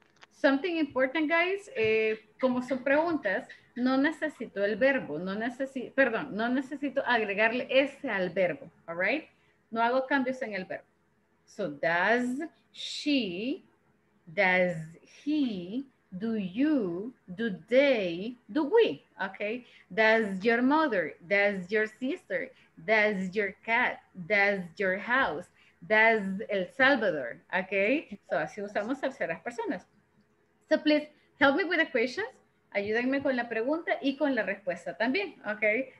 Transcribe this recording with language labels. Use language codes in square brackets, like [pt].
[en] Something important, guys, [es] como son preguntas, no necesito el verbo, no necesito agregarle ese al verbo, [en] all right? [es] No hago cambios en el verbo. [en] So does she, does he, do you, do they, do we, okay? Does your mother, does your sister, does your cat, does your house, does El Salvador, okay? So [es] así usamos terceras personas. [en] So please help me with the questions. [es] Ayúdenme con la pregunta y con la respuesta también, okay?